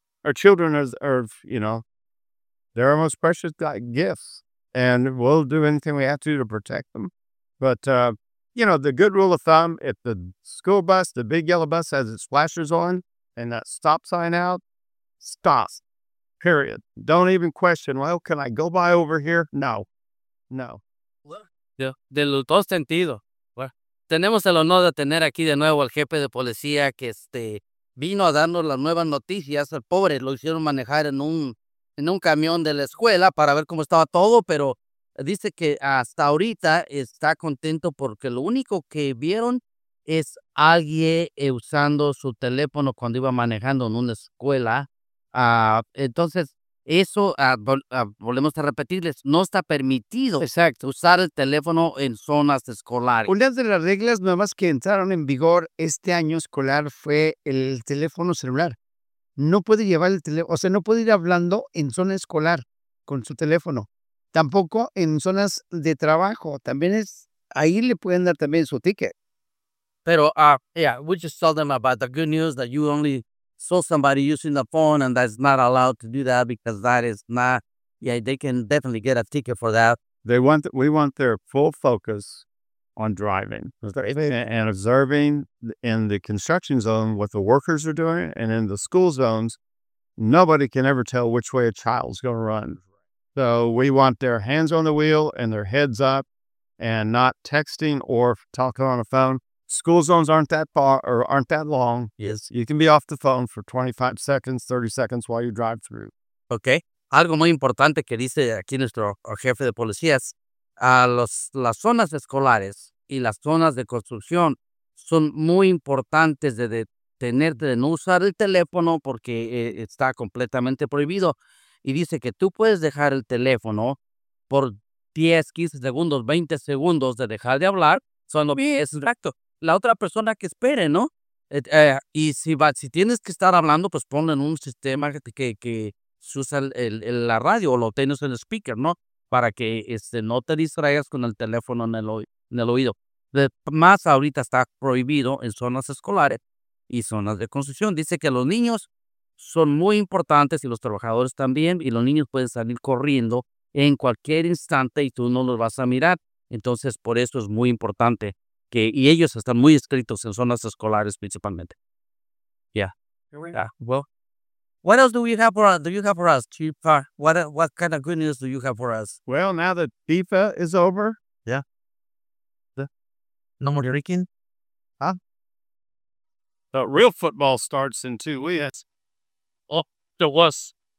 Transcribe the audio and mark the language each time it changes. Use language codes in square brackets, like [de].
[en] Our children are, you know, they're our most precious gifts, and we'll do anything we have to protect them. But you know, the good rule of thumb: if the school bus, the big yellow bus, has its flashers on and that stop sign out, stop. Period. Don't even question, well, can I go by over here? No. No. [es] De los dos sentidos. Tenemos el honor de tener aquí de nuevo al jefe de policía que vino a darnos las nuevas noticias. El pobre lo hicieron manejar en un camión de la escuela para ver cómo estaba todo, pero dice que hasta ahorita está contento porque lo único que vieron es alguien usando su teléfono cuando iba manejando en una escuela. Entonces, eso, volvemos a repetirles, no está permitido. Exacto. Usar el teléfono en zonas escolares. Una de las reglas nuevas que entraron en vigor este año escolar fue el teléfono celular. No puede llevar el teléfono, o sea, no puede ir hablando en zona escolar con su teléfono. Tampoco en zonas de trabajo. También es, ahí le pueden dar también su ticket. Pero, [en] we just told them about the good news that you only... saw somebody using the phone, and that's not allowed to do that because that is not. Yeah, they can definitely get a ticket for that. We want their full focus on driving, and observing in the construction zone what the workers are doing, and in the school zones, nobody can ever tell which way a child's going to run. So we want their hands on the wheel and their heads up, and not texting or talking on a phone. School zones aren't that far or aren't that long. Yes. You can be off the phone for 25 seconds, 30 seconds while you drive through. Okay. [es] Algo muy importante que dice aquí nuestro jefe de policías, las zonas escolares y las zonas de construcción son muy importantes de tener, de no usar el teléfono porque está completamente prohibido. y dice que tú puedes dejar el teléfono por 10, 15 segundos, 20 segundos de dejar de hablar, son exacto. La otra persona que espere, ¿no? Y si tienes que estar hablando, pues ponlo en un sistema que se usa la radio o lo tienes en el speaker, ¿no? Para que no te distraigas con el teléfono en el oído. Más ahorita está prohibido en zonas escolares y zonas de construcción. Dice que los niños son muy importantes y los trabajadores también, y los niños pueden salir corriendo en cualquier instante y tú no los vas a mirar. Entonces, por eso es muy importante que, y ellos están muy estrictos en zonas escolares principalmente. [en] What else do you have for us, Chief? What kind of good news do you have for us? Well, now that FIFA is over. Yeah. No more drinking? Huh? The real football starts in 2 weeks. Oh, there was.